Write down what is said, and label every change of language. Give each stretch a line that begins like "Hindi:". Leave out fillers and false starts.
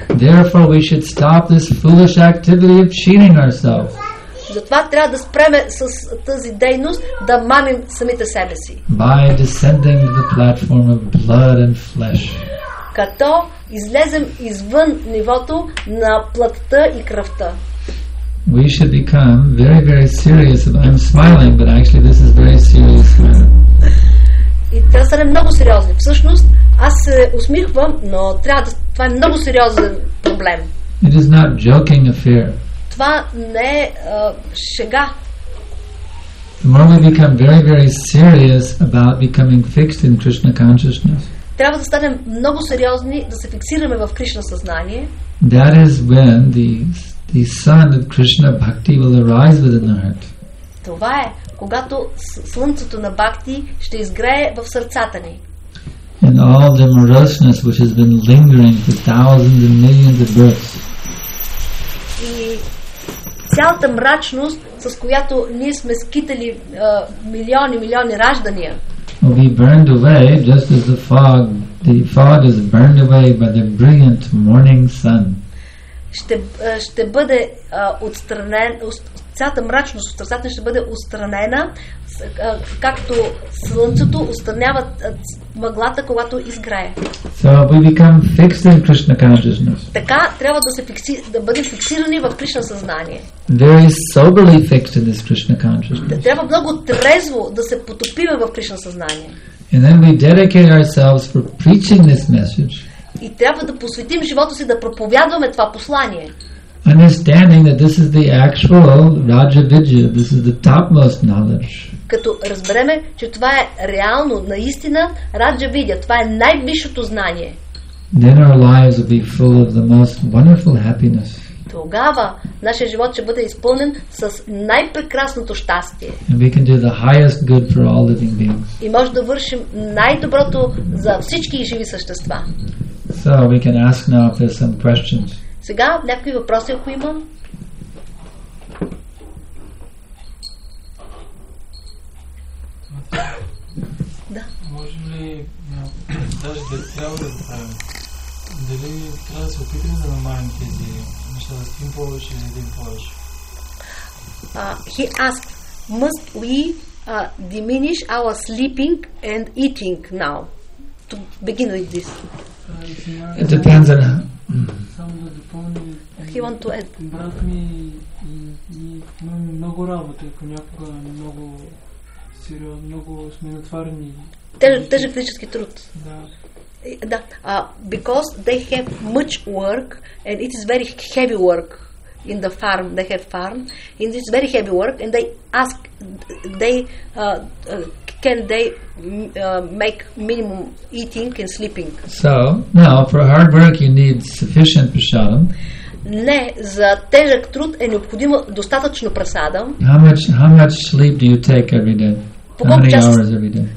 English: Therefore we should stop this foolish activity of cheating ourselves.
Bulgarian: Затова трябва да спрем с тази дейност да мамим самите себе си.
English: By descending to the platform of blood and flesh.
Bulgarian: Като излезем извън нивото на плътта и кръвта.
English: We should become very, very serious. I'm smiling, but actually this is very serious.
Bulgarian: И трябва да сме много сериозни. Всъщност, аз се усмихвам, но трябва да... Това е много сериозен проблем.
English: It is not joking affair.
Bulgarian: Това не е шега.
English: The more we become very, very serious about becoming fixed in Krishna consciousness.
Bulgarian: Трябва да станем много сериозни, да се фиксираме в Кришна съзнание.
English: That is when the sun of Krishna bhakti will arise within the heart.
Bulgarian: Това е когато слънцето на бхакти ще изгрее в сърцата ни.
English: And all the morosness which has been lingering for thousands and millions of births.
Bulgarian: И цялата мрачност, с която ние сме скитали милиони и милиони раждания.
English: Will be burned away just as the fog is burned away by the brilliant morning sun.
Bulgarian: Ще бъде отстранен, цялата мрачност от сърцата ще бъде отстранена, както слънцето отстранява мъглата, когато изгрее.
English: So we become fixed in Krishna consciousness.
Bulgarian: Така трябва да се бъдем фиксирани в Кришна съзнание.
English: Very soberly fixed in this Krishna consciousness.
Bulgarian: Трябва много трезво да се потопиме в Кришна съзнание.
English: And then we dedicate ourselves for preaching this message.
Bulgarian: И трябва да посветим живота си да проповядваме това послание.
English: Understanding that this is the actual Raja Vidya, this is the topmost knowledge.
Bulgarian: Като разбереме, че това е реално, наистина Раджа Видя, това е най-висшето знание.
English: Then our lives will be full of the most wonderful happiness.
Bulgarian: Тогава нашия живот ще бъде изпълнен с най-прекрасното щастие.
English: And we can do the highest good for all living beings.
Bulgarian: И може да вършим най-доброто за всички живи същества.
English: So we can ask now if there's some questions.
Bulgarian: Сега някакви въпроси, ако имам. Да. Можем ли даже да цяло да правим? Дали трябва да се опитаме да намалим тези неща, да спим повече или един повече?
English: He asked, must we diminish our sleeping and eating now? To begin with this. It depends on...
Bulgarian: Само да допълня.
English: He want to add.
Bulgarian: Брат ми имам много работа, понякога много сериозно, много сме натварени. Тежък физически труд. Да.
English: Because they have much work and it is very heavy work. in the farm, they have farm, and it's very heavy work, and they ask, they can they make minimum eating and sleeping. So, now, for hard work you need sufficient prasadam.
Bulgarian: Не, за тежък труд е необходимо достатъчно прасада.
English: How much sleep do you take every day? How many hours every day?